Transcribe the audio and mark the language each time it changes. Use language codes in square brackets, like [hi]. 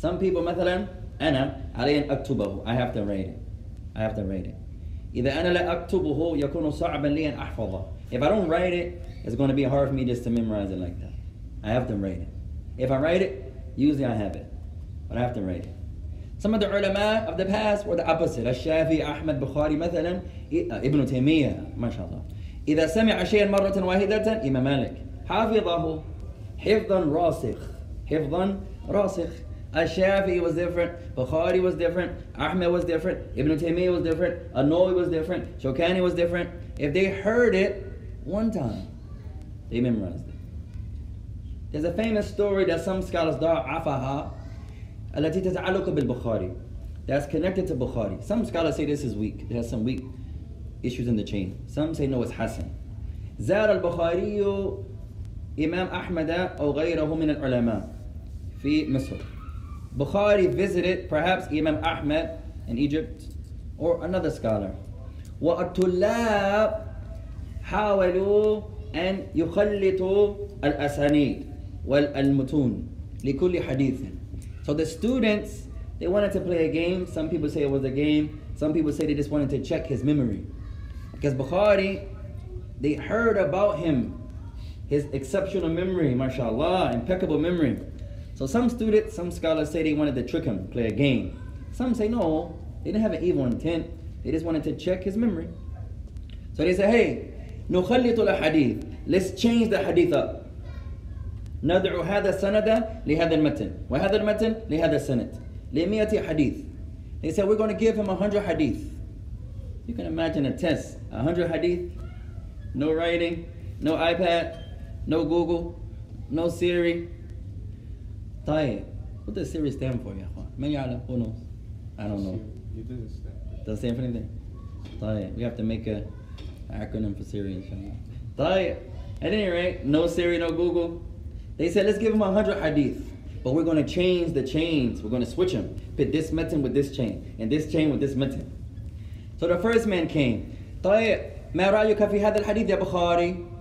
[en] Some people, [ar] مثلاً, أنا علي أن أكتبه. [en] I have to write it. [ar] إذا أنا لا أكتبه يكون صعبا لي أن أحفظه. [en] If I don't write it, it's going to be hard for me just to memorize it like that. I have to write it. If I write it, usually I have it. But I have to write it. Some of the ulama of the past were the opposite. [ar] الشافعي أحمد بخاري مثلا ابن تيمية ما شاء الله. إذا سمع شيئا مرة واحدة إمام مالك حافظه حفظا راسخ حفظا راسخ. [en] الشافعي was different. بخاري was different. أحمد was different. ابن تيمية was different. النووي was different. شوكاني was different. If they heard it one time, they memorized it. There's a famous story that some scholars [ar] ضعفها التي تتعلق بالبخاري, [en] that's connected to Bukhari. Some scholars say this is weak. There are some weak issues in the chain. Some say no, it's Hassan. [ar] زار البخاري إمام أحمد أو غيره من العلماء في مصر. [en] Bukhari visited perhaps Imam Ahmed in Egypt or another scholar. [ar] والطلاب حاولوا أن يخلطوا الأسانيد والمتون لكل حديث. [en] So the students, they wanted to play a game. Some people say it was a game. Some people say they just wanted to check his memory. Because Bukhari, they heard about him, his exceptional memory, mashallah, impeccable memory. So some students, some scholars say they wanted to trick him, play a game. Some say no, they didn't have an evil intent. They just wanted to check his memory. So they say, hey, [ar] نخلط الحديث. [en] Let's change the hadith up. [ar] ندعو هذا السند لهذا المتن وهذا المتن لهذا السند لمئة حديث. [en] They said, we're going to give him 100 hadith. You can imagine a test, 100 hadith, no writing, no iPad, no Google, no Siri. طيب, what does Siri stand for, يا أخوان? [ar] من يعلم? [en] Who knows? I don't know. Doesn't stand for anything. طيب, we have to make an acronym for Siri, inshallah. طيب, at any rate, no Siri, no Google. They said, let's give him 100 hadith, but we're going to change the chains. We're going to switch them. Put this metin with this chain, and this chain with this metin. So the first man came. [ar] طيب, ما رأيك في هذا الحديث يا بخاري?